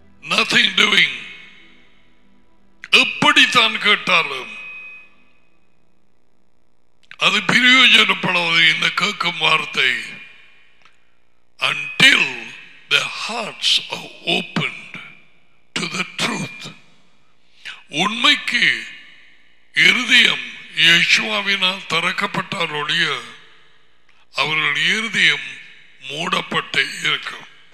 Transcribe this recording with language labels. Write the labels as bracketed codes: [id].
[en] Nothing doing. [ta] எப்படித்தான் கேட்டாலும் அது பிரயோஜனப்படாது இந்த கேட்கும் வார்த்தை. [en] Until the hearts are opened to the truth. [ta] உண்மைக்கு இருதயம் யேசுவாவினால் தரக்கப்பட்டாரொழிய அவர்கள் இருதயம் மூடப்பட்டு இருக்கும்.